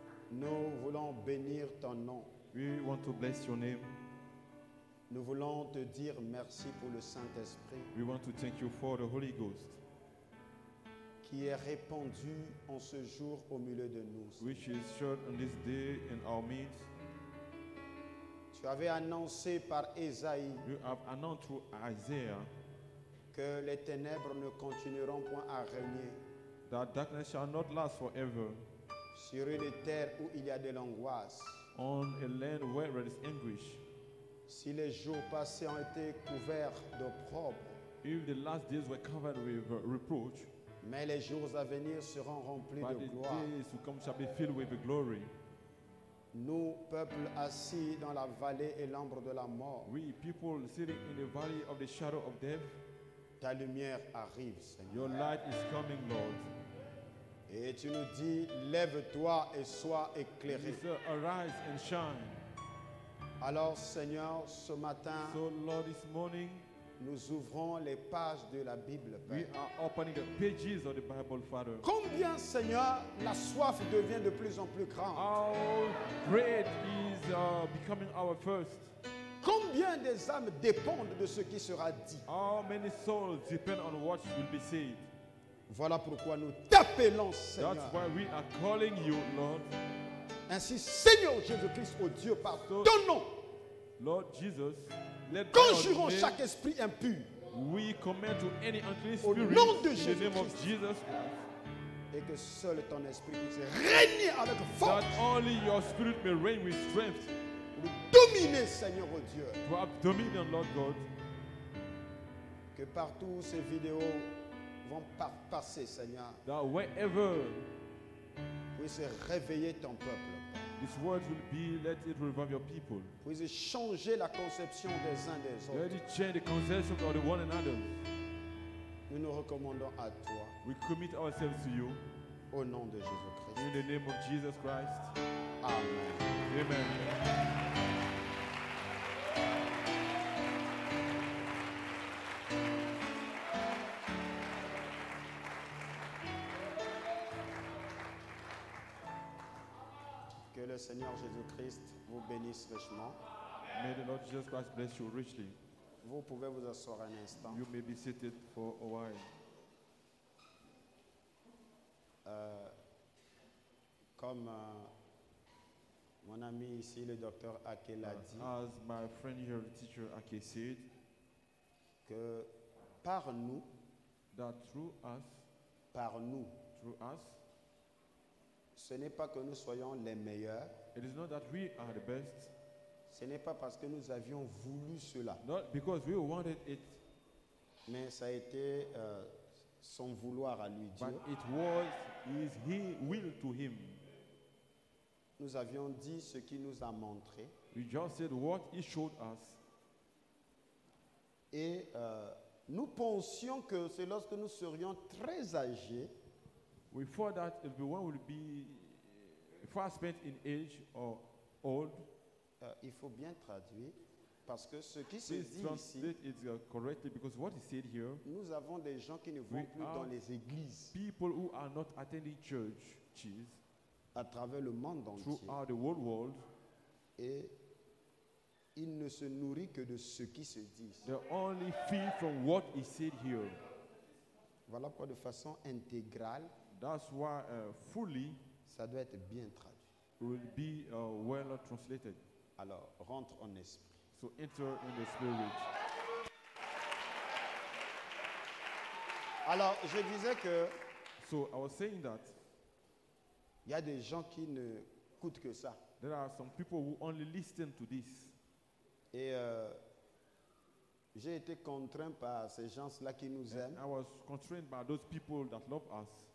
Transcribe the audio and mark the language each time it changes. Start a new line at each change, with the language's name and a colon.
French: nous voulons bénir ton nom.
English: We want to bless your name.
French: Nous voulons te dire merci pour le Saint-Esprit.
English: We want to thank you for the Holy Ghost.
French: qui est répandu en ce jour au milieu de nous.
English: Which is shown on this day in our midst.
French: Tu avais annoncé par Esaïe.
English: You have announced through Isaiah.
French: Que les ténèbres ne continueront point à régner.
English: That darkness shall not last forever.
French: Sur une terre où il y a de l'angoisse.
English: On a land where there is anguish.
French: Si les jours passés ont été couverts d'opprobre.
English: If the last days were covered with reproach.
French: Mais les jours à venir seront remplis de gloire.
English: Days to come shall be filled with glory.
French: Nous, peuple assis dans la vallée et l'ombre de la mort.
English: We people sitting in the valley of the shadow of death.
French: Ta lumière arrive, Seigneur.
English: Your light is coming, Lord.
French: Et tu nous dis, lève-toi et sois éclairé.
English: Jesus, arise and shine.
French: Alors, Seigneur, ce matin.
English: So, Lord, this morning.
French: Nous ouvrons les pages de la Bible, Père.
English: We are opening the pages of the Bible, Father.
French: Combien, Seigneur, la soif devient de plus en plus grande.
English: How great is becoming our thirst.
French: Combien des âmes dépendent de ce qui sera dit.
English: How many souls depend on what will be said.
French: Voilà pourquoi nous t'appelons, Seigneur.
English: That's why we are calling you, Lord.
French: Ainsi, Seigneur Jésus-Christ, ô Dieu, par ton nom.
English: Lord Jesus.
French: Conjurons chaque esprit impur.
English: We commit to any unclean spirit.
French: Au nom de Jésus.
English: In the name of Jesus Christ.
French: Et que seul ton esprit puisse régner avec force.
English: That only your spirit may reign with strength.
French: Pour dominer, Seigneur oh Dieu.
English: To have dominion, Lord God.
French: Que partout ces vidéos vont passer, Seigneur.
English: That wherever
French: puisse réveiller ton peuple.
English: This word will be, let it revive your people.
French: Puisse changer la conception des uns des autres.
English: Let it change the conception of the one another.
French: Nous nous recommandons à toi.
English: We commit ourselves to you.
French: Au nom de Jésus Christ.
English: In the name of Jesus Christ.
French: Amen.
English: Amen.
French: Le Seigneur Jésus-Christ vous bénisse richement.
English: May the Lord Jesus Christ bless you richly.
French: Vous pouvez vous asseoir un instant.
English: You may be seated for a while.
French: Mon ami ici, le docteur Ake l'a dit.
English: As my friend here, the teacher Ake said,
French: que par nous,
English: that through us,
French: par nous,
English: through us.
French: Ce n'est pas que nous soyons les meilleurs.
English: It is not that we are the best.
French: Ce n'est pas parce que nous avions voulu cela.
English: Not because we wanted it.
French: Mais ça a été son vouloir à lui, Dieu.
English: But it was his will to him.
French: Nous avions dit ce qu'il nous a montré.
English: We just said what he showed us.
French: Et nous pensions que c'est lorsque nous serions très âgés.
English: We thought that if the one will be far spent in age or old,
French: il faut bien traduire parce que ce qui se dit ici,
English: it correctly because what is said here,
French: nous avons des gens qui ne vont plus dans les églises,
English: people who are not attending churches,
French: à travers le monde entier,
English: throughout the whole world,
French: et ils ne se nourrissent que de ce qui se dit.
English: They only feed from what is said here.
French: Voilà quoi, de façon intégrale.
English: That's why fully
French: ça doit être bien traduit.
English: Will be well translated.
French: Alors, rentre en esprit.
English: So enter in the spirit.
French: Alors, je disais que
English: so I was saying that
French: il y a des gens qui ne écoutent que ça.
English: There are some people who only listen to this.
French: Et j'ai été contraint par ces gens-là qui nous aiment.
English: And I was constrained by those people that love us.